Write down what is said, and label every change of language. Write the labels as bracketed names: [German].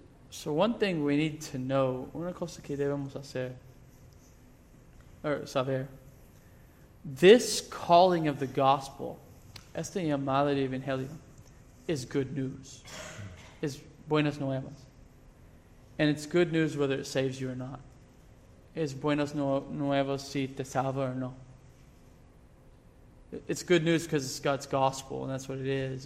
[English] So one thing we need to know, [Spanish] una cosa que debemos hacer, [English] or saber, this calling of the gospel, [Spanish] esta llamada de evangelio, [English] is good news. [Spanish] Is buenas nuevas. [English] And it's good news whether it saves you or not. [Spanish] Es buenas nuevas si te salva or no. [English] It's good news because it's God's gospel, and that's what it is.